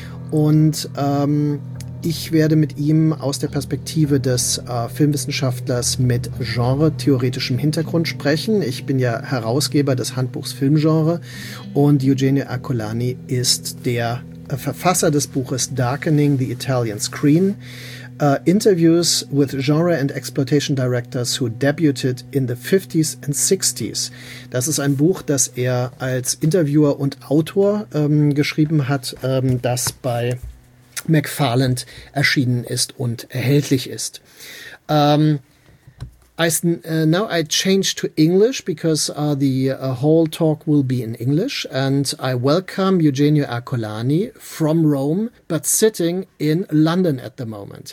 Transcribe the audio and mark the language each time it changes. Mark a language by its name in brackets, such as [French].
[German] Und ich werde mit ihm aus der Perspektive des Filmwissenschaftlers mit genre-theoretischem Hintergrund sprechen. Ich bin ja Herausgeber des Handbuchs Filmgenre und Eugenio Ercolani ist der Verfasser des Buches Darkening the Italian Screen. [English] Interviews with Genre and Exploitation Directors who debuted in the 50s and 60s. [German] Das ist ein Buch, das er als Interviewer und Autor geschrieben hat, das bei Macfarlane erschienen ist und erhältlich ist. [English] Now I change to English because the whole talk will be in English, and I welcome Eugenio Ercolani from Rome, but sitting in London at the moment.